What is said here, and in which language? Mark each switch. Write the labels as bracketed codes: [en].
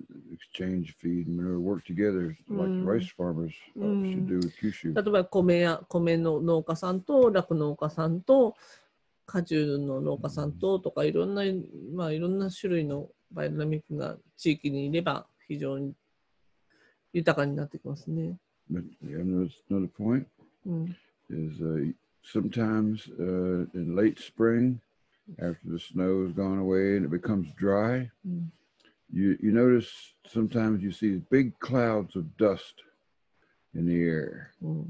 [en] Exchange feed and manure work together like rice farmers should do with Kyushu. [ja] 例えば米や米の農家さんと酪農家さんと果樹の農家さんととかいろんな、まあ、いろんな種類のバイオダイナミックな地域にいれば非常に豊かになってきますね。 [en] Another point、うん、 is sometimes in late spring after the snow has gone away and it becomes dry、うん、 you notice sometimes you see big clouds of dust in the air、うん、